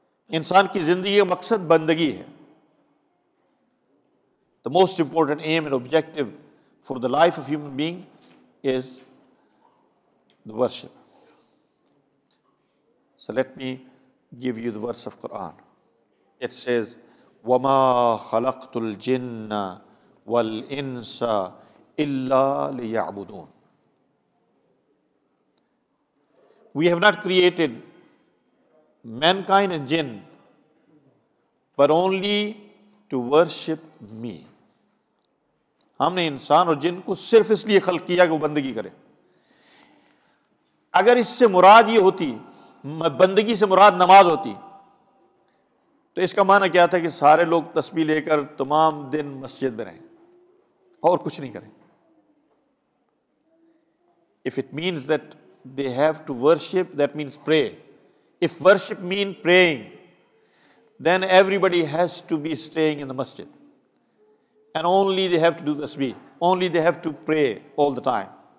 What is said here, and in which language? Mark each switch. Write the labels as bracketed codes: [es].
[ur] Insan ki zindagi ka maqsad bandagi hai. [en] The most important aim and objective for the life of human being is the worship. So let me give you the verse of Quran. It says, [ar] وَمَا خَلَقْتُ الْجِنَّ وَالْإِنسَ إِلَّا لِيَعْبُدُونَ. [en] We have not created mankind and jinn, but only to worship me. [ur] ہم نے انسان اور جن کو صرف اس لیے خلق کیا کہ وہ بندگی کرے. اگر اس سے مراد یہ ہوتی, بندگی سے مراد نماز ہوتی, تو اس کا معنی کیا تھا کہ سارے لوگ تسبیح لے کر تمام دن مسجد میں رہیں اور کچھ نہیں کریں. [en] If it means that they have to worship, that means pray. If worship means praying, then everybody has to be staying in the masjid. And only they have to do tasbih. Only they have to pray all the time.